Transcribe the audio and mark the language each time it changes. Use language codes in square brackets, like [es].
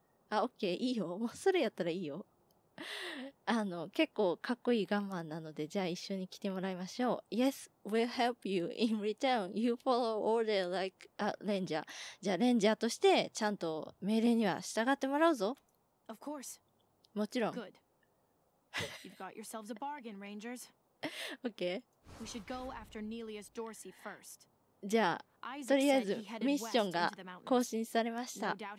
[ja] あオッケー、いいよ、もうそれやったらいいよ。あの結構かっこいいガンマンなので、じゃあ一緒に来てもらいましょう。 [en] Yes, we'll help you in return. You follow order like a ranger. [ja] じゃあレンジャーとしてちゃんと命令には従ってもらうぞ。 [en] Of course. [ja] もちろん。 [en] Good. You've got yourselves a bargain, rangers. OK. We should go after Nelius Dorsey first. [ja] じゃあとりあえずミッションが更新されました。